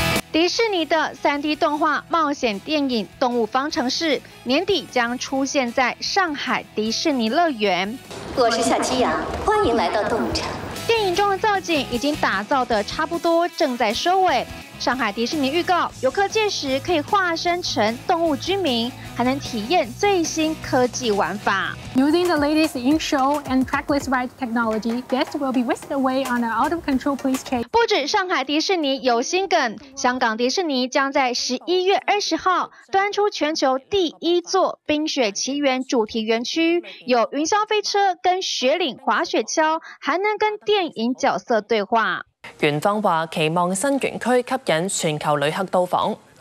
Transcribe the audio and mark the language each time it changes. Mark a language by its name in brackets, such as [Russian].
[Chinese] 迪士尼的 3D 动画冒险电影《动物方程式》年底将出现在上海迪士尼乐园。我是小鸡羊，欢迎来到动物城。电影中的造景已经打造得差不多，正在收尾。上海迪士尼预告，游客届时可以化身成动物居民，还能体验最新科技玩法。 [English] Using the latest in-show and trackless ride technology, guests will be whisked away on an out-of-control police chase. [Chinese] 不止上海迪士尼有新梗，香港迪士尼将在11月20号端出全球第一座《冰雪奇缘》主题园区，有云霄飞车跟雪岭滑雪橇，还能跟电影角色对话。园方话期望新园区吸引全球旅客到访。